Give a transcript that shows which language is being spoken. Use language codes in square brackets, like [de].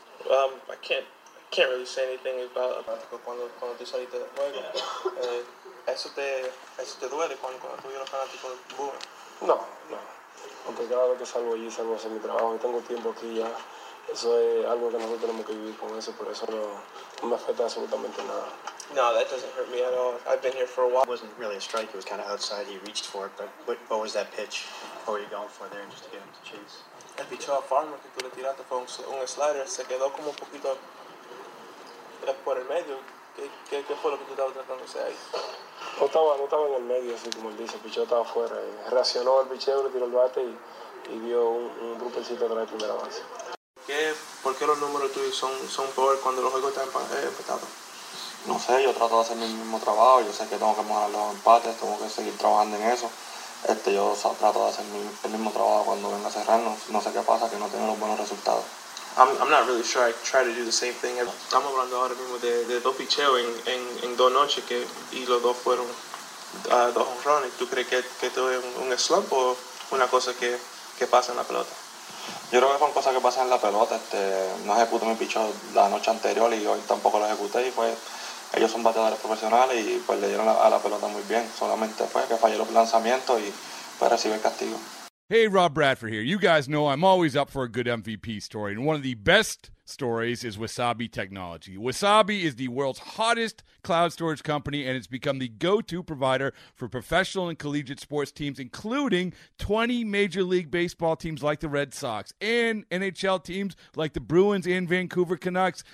[en] I can't really say anything about [es] cuando tú saliste del juego. ¿Eso te duele cuando tú vienes fanático de Buda? No, no. Porque cada vez que salgo allí, salgo a hacer mi trabajo. Yo tengo tiempo aquí ya. Eso es algo que nosotros tenemos que vivir con eso. Por eso no me afecta absolutamente nada. [en] No, that doesn't hurt me at all. I've been here for a while. It wasn't really a strike. It was kind of outside. He reached for it. But what was that pitch? What were you going for there? And just to get him to chase? [es] El picheo a Farmer que tú le tiraste fue un slider. Se quedó como un poquito por el medio. ¿Qué fue lo que tú estabas tratando de hacer ahí? No estaba en el medio, así como él dice, el picheo estaba afuera. Reaccionó el picheo, le tiró el bate y dio un grupecito atrás de primera base. ¿Por qué los números tuyos son peores cuando los juegos están empatados? No sé, yo trato de hacer mi mismo trabajo. Yo sé que tengo que mejorar los empates, tengo que seguir trabajando en eso. Yo trato de hacer el mismo trabajo cuando venga a cerrarnos. No sé qué pasa, que no tengo los buenos resultados. [en] I'm not really sure I try to do the same thing. [es] Estamos hablando ahora mismo de dos picheos en dos noches y los dos fueron dos home runs. ¿Tú crees que esto es un slump o una cosa que pasa en la pelota? Yo creo que fue una cosa que pasa en la pelota. No ejecuté mi picheo la noche anterior y hoy tampoco lo ejecuté. Y pues, ellos son bateadores profesionales y pues le dieron a la pelota muy bien. Solamente fue que falló los lanzamientos y pues recibe el castigo. [en] Hey, Rob Bradford here. You guys know I'm always up for a good MVP story, and one of the best stories is Wasabi Technology. Wasabi is the world's hottest cloud storage company, and it's become the go-to provider for professional and collegiate sports teams, including 20 Major League Baseball teams like the Red Sox, and NHL teams like the Bruins and Vancouver Canucks.